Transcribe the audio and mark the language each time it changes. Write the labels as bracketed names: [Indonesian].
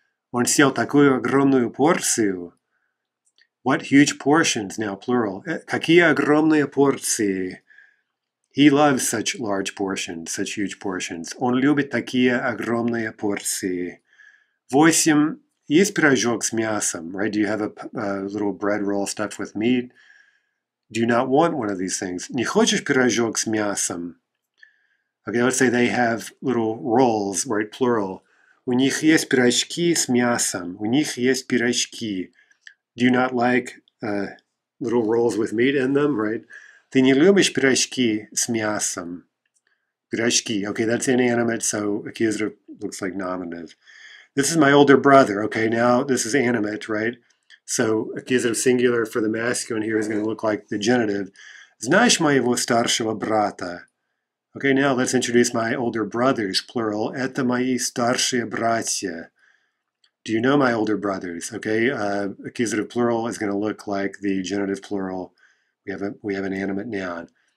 [Russian] Он съел такую огромную порцию. [English] What huge portions? Now plural. [Russian] Какие огромные порции? [English] He loves such large portions, such huge portions. [Russian] Он любит такие огромные порции. Восемь. Есть пирожок с мясом, right? [English] Do you have a little bread roll stuffed with meat? Do you not want one of these things? [Russian] Не хочешь пирожок с мясом? [English] Okay, let's say they have little rolls, right? Plural. [Russian] У них есть пирожки с мясом. У них есть пирожки. [English] Do you not like little rolls with meat in them, right? [Russian] Ты не любишь пирожки с мясом? Пирожки. [English] Okay, that's inanimate, so accusative looks like nominative. This is my older brother. Okay, now this is animate, right? So accusative singular for the masculine here is going to look like the genitive. [Russian] Знаешь моего старшего брата? [English] Okay, now let's introduce my older brothers, plural. [Russian] Это мои старшие братья. [English] Do you know my older brothers? Okay, accusative plural is going to look like the genitive plural. We have an animate noun.